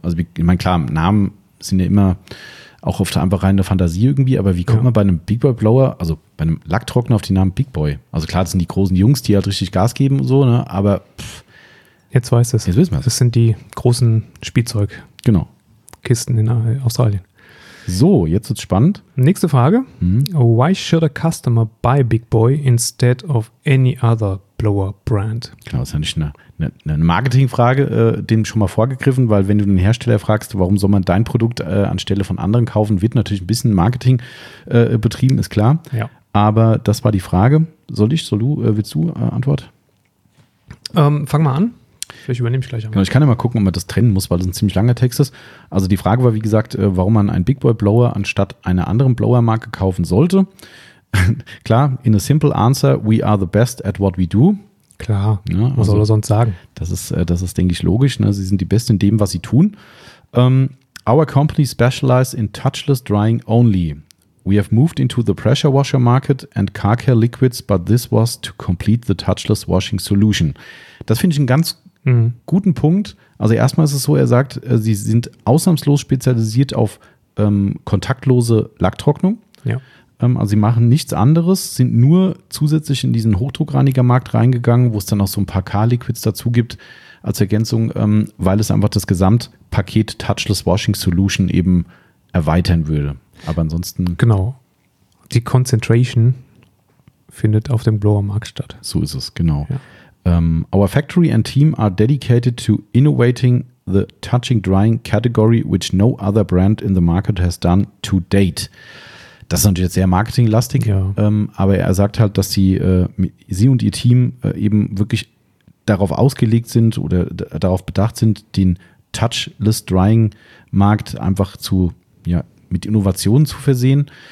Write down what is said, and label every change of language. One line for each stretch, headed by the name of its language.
German: Also ich meine, klar, Namen sind ja immer auch oft einfach reine Fantasie irgendwie, aber wie kommt man bei einem Big Boy Blower, also bei einem Lacktrockner auf den Namen Big Boy? Also klar, das sind die großen Jungs, die halt richtig Gas geben und so, ne? Aber jetzt weiß es. Jetzt wissen wir es. Das sind die großen Spielzeug Kisten in Australien. So, jetzt wird's spannend. Nächste Frage.
English: Why should a customer buy Big Boy instead of any other blower brand?
German: Genau, ist ja nicht eine Marketingfrage, dem schon mal vorgegriffen, weil wenn du den Hersteller fragst, warum soll man dein Produkt anstelle von anderen kaufen, wird natürlich ein bisschen Marketing betrieben, ist klar. Ja. Aber das war die Frage. Willst du Antwort? Fang mal an. Vielleicht übernehme ich gleich einmal. Genau, ich kann ja mal gucken, ob man das trennen muss, weil das ein ziemlich langer Text ist. Also die Frage war, wie gesagt, warum man einen Big Boy Blower anstatt einer anderen Blower-Marke kaufen sollte. Klar,
English: in a simple answer, we are the best at what we do.
German: Klar, ja, also, was soll er sonst sagen? Das ist, denke ich, logisch. Ne? Sie sind die Besten in dem, was sie tun.
English: Our company specializes in touchless drying only. We have moved into the pressure washer market and car care liquids, but this was to complete the touchless washing solution.
German: Das finde ich einen ganz guten Punkt. Also erstmal ist es so, er sagt, sie sind ausnahmslos spezialisiert auf kontaktlose Lacktrocknung. Ja. Also sie machen nichts anderes, sind nur zusätzlich in diesen Hochdruckreinigermarkt reingegangen, wo es dann auch so ein paar Car-Liquids dazu gibt als Ergänzung, weil es einfach das Gesamtpaket Touchless Washing Solution eben erweitern würde. Aber ansonsten... Genau. Die Concentration findet auf dem Blower-Markt statt. So ist es, genau. Ja.
English: Our factory and team are dedicated to innovating the touching drying category, which no other brand in the market has done to date.
German: Das ist natürlich jetzt sehr marketinglastig, aber er sagt halt, dass sie und ihr Team eben wirklich darauf ausgelegt sind oder darauf bedacht sind, den touchless drying Markt einfach zu mit Innovationen zu versehen.